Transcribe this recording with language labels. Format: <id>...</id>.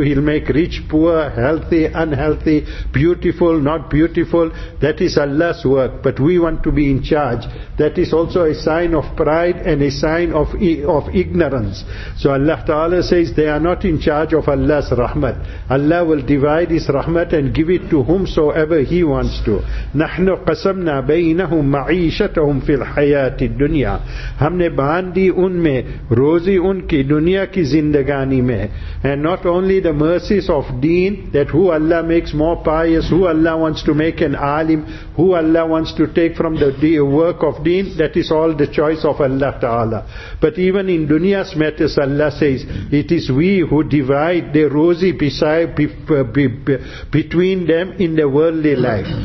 <en>He'll make rich, poor, healthy, unhealthy, beautiful, not beautiful. That is Allah's work. But we want to be in charge. That is also a sign of pride and a sign of ignorance. So Allah Ta'ala says they are not in charge of Allah's rahmat. Allah will divide His rahmat and give it to whomsoever He wants to.</en> <ar>نَحْنُ قَسَمْنَا بَيْنَهُمْ مَعِيشَتَهُمْ فِي الْحَيَاةِ الدُّنْيَا</ar> <ur>ہم نے باندھی ان میں روزی ان کی دنیا کی زندگانی میں.</ur> <en>And not only the mercies of deen, that who Allah makes more pious, who Allah wants to make an alim, who Allah wants to take from the work of deen, that is all the choice of Allah Ta'ala. But even in dunya's matters, Allah says, it is we who divide the rosy between them in the worldly life.</en>